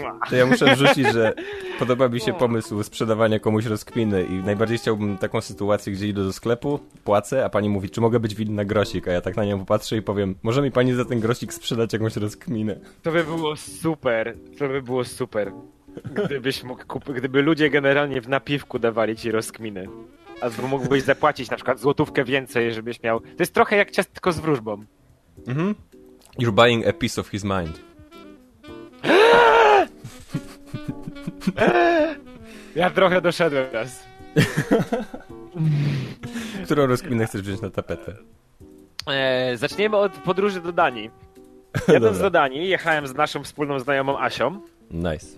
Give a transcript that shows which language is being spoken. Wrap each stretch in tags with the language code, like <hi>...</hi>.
<pl>To ja muszę wrzucić, że podoba mi się pomysł sprzedawania komuś rozkminy i najbardziej chciałbym taką sytuację, gdzie idę do sklepu, płacę, a pani mówi, czy mogę być winna grosik, a ja tak na nią popatrzę i powiem, może mi pani za ten grosik sprzedać jakąś rozkminę. To by było super. Gdybyś mógł kupić, gdyby ludzie generalnie w napiwku dawali ci rozkminy. A mógłbyś zapłacić na przykład złotówkę więcej, żebyś miał... To jest trochę jak ciastko z wróżbą. Mhm.</pl> <en>You're buying a piece of his mind.</en> <pl>Ja trochę doszedłem raz. Którą rozkminę chcesz wziąć na tapetę? Zaczniemy od podróży do Danii. Jadąc do Danii, jechałem z naszą wspólną znajomą Asią.</pl> <en>Nice.</en>